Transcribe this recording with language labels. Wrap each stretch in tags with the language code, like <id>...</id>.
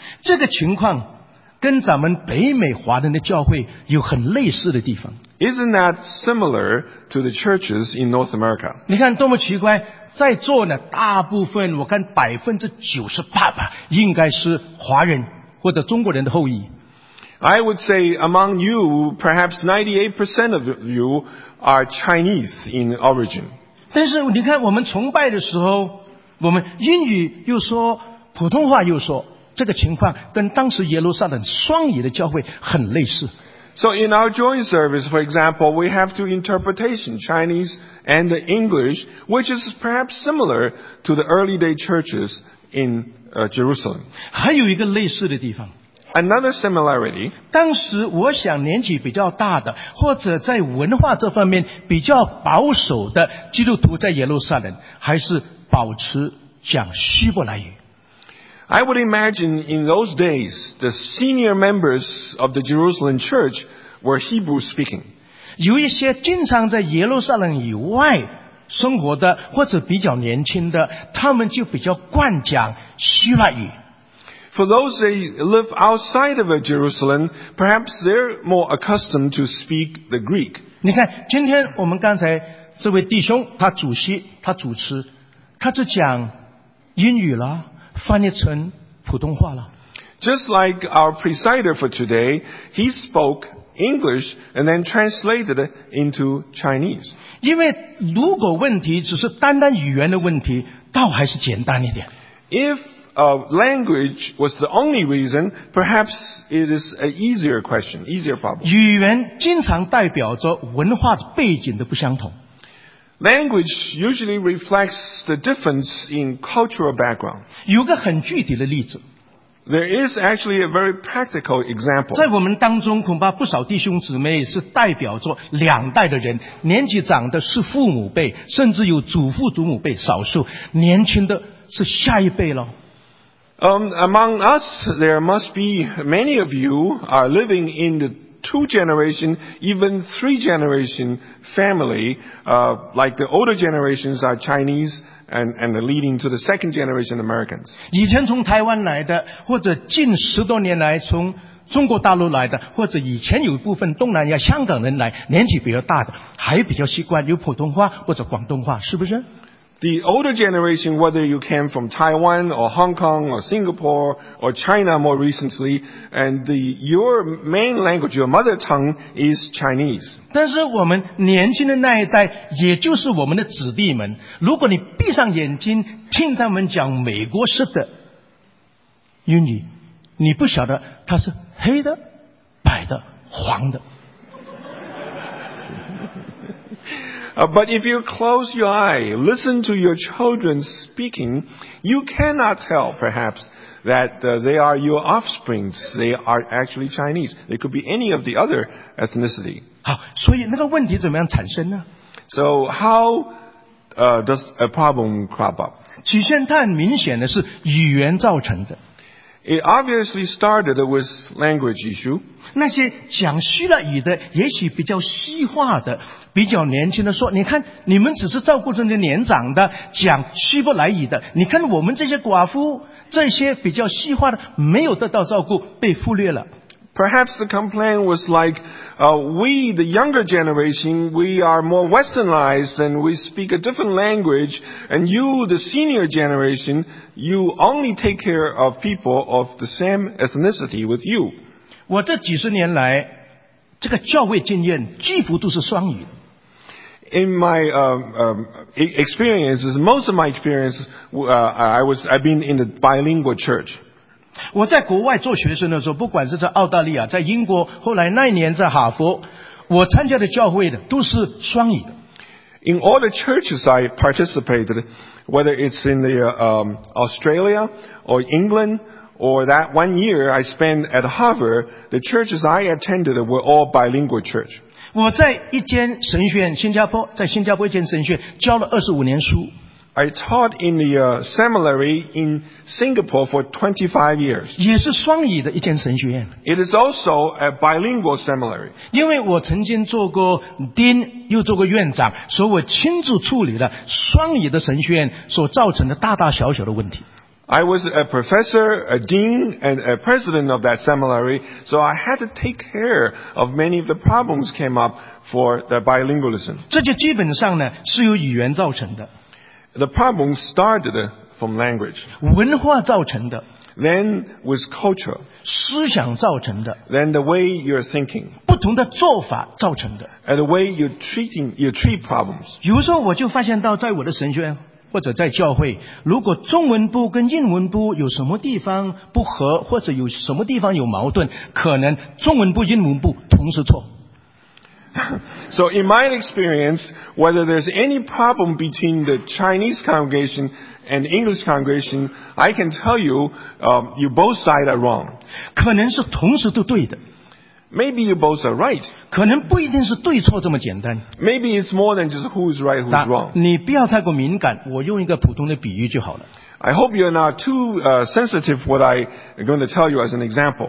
<zh>这个情况跟咱们北美华人的教会有很类似的地方。</zh> <en>Isn't that similar to the churches in North America?</en> <zh>你看多么奇怪，在座呢，大部分我看98%吧，应该是华人或者中国人的后裔。</zh> <en>I would say among you, perhaps 98% of you are Chinese in origin.</en> <zh>但是你看我们崇拜的时候，我们英语又说，普通话又说，这个情况跟当时耶路撒冷双语的教会很类似。</zh> <en>So in our joint service, for example, we have two interpretations, Chinese and English, which is perhaps similar to the early day churches in Jerusalem.</en> <zh>还有一个类似的地方。</zh> <en>Another similarity.</en> <zh>当时我想年纪比较大的，或者在文化这方面比较保守的基督徒在耶路撒冷，还是保持讲希伯来语。</zh> <en>I would imagine in those days, the senior members of the Jerusalem church were Hebrew speaking.</en> <zh>有一些经常在耶路撒冷以外生活的，或者比较年轻的，他们就比较惯讲希腊语。</zh> <en>For those that live outside of Jerusalem, perhaps they're more accustomed to speak the Greek.</en> <zh>你看，今天我们刚才这位弟兄，他主席，他主持，他就讲英语了，翻译成普通话了。</zh> <en>Just like our presider for today, he spoke English and then translated into Chinese.</en> <zh>因为如果问题只是单单语言的问题，倒还是简单一点。</zh> <en>Language was the only reason, perhaps it is an easier question, easier problem.</en> <zh>语言经常代表着文化背景的不相同。</zh> <en>Language usually reflects the difference in cultural background.</en> <zh>有个很具体的例子。</zh> <en>There is actually a very practical example.</en> <zh>在我们当中恐怕不少弟兄姊妹是代表着两代的人，年纪长的是父母辈，甚至有祖父祖母辈，少数年轻的是下一辈了。</zh> <en>Among us, there must be many of you are living in the two generation, even three generation family, like the older generations are Chinese and leading to the second generation Americans.</en> <zh>以前从台湾来的，或者近十多年来从中国大陆来的，或者以前有一部分东南亚香港人来，年纪比较大的，还比较习惯有普通话或者广东话，是不是？</zh> <en>The older generation, whether you came from Taiwan or Hong Kong or Singapore or China more recently, and your main language, your mother tongue is Chinese.</en> <zh>但是我们年轻的那一代，也就是我们的子弟们，如果你闭上眼睛听他们讲美国式的英语，你不晓得它是黑的、白的、黄的。</zh> <en>But if you close your eye, listen to your children speaking, you cannot tell, perhaps, that they are your offsprings. They are actually Chinese. They could be any of the other ethnicity.</en> <zh>好，所以那个问题怎么样产生呢？</zh> <en>So how does a problem crop up?</en> <zh>起先它很明显的是语言造成的。</zh> <en>It obviously started with language issue.</en> <zh>那些讲希腊语的，也许比较西化的，比较年轻的说，你看你们只是照顾这些年长的，讲希伯来语的，你看我们这些寡妇，这些比较西化的没有得到照顾，被忽略了。</zh> <en>Perhaps the complaint was like, we, the younger generation, we are more westernized and we speak a different language, and you, the senior generation, you only take care of people of the same ethnicity with you.</en> <zh>我这几十年来，这个教会经验几乎都是双语。</zh> <en>In my experiences, most of my experience, I've been in the bilingual church.</en> <zh>我在国外做学生的时候，不管是在澳大利亚，在英国，后来那一年在哈佛，我参加的教会的都是双语的。</zh> <en>In all the churches I participated, whether it's in the Australia or England or that 1 year I spent at Harvard, the churches I attended were all bilingual church.</en> <zh>我在一间神学院，新加坡，在新加坡一间神学院教了25年书。</zh> <en>I taught in the seminary in Singapore for 25 years.</en> <zh>也是双语的一间神学院。</zh> <en>It is also a bilingual seminary.</en> <zh>因为我曾经做过 dean， 又做过院长，所以我亲自处理了双语的神学院所造成的大大小小的问题。</zh> <en>I was a professor, a dean, and a president of that seminary, so I had to take care of many of the problems came up for the bilingualism.</en> <zh>这就基本上呢是由语言造成的。</zh> <en>The problem started from language.</en> <zh>文化造成的。</zh> <en>Then was culture.</en> <zh>思想造成的。</zh> <en>Then the way you're thinking.</en> <zh>不同的做法造成的。</zh> <en>And the way you treat problems.</en> <zh>有时候我就发现到在我的神学院或者在教会，如果中文部跟英文部有什么地方不合，或者有什么地方有矛盾，可能中文部、英文部同时错。</zh> <en>So in my experience, whether there's any problem between the Chinese congregation and English congregation, I can tell you, you both sides are wrong.</en> <zh>可能是同时都对的。</zh> <en>Maybe you both are right.</en> <zh>可能不一定是对错这么简单。</zh> <en>Maybe it's more than just who's right, who's wrong.</en> <zh>你不要太过敏感，我用一个普通的比喻就好了。</zh> <en>I hope you're not too sensitive what I'm going to tell you as an example.</en>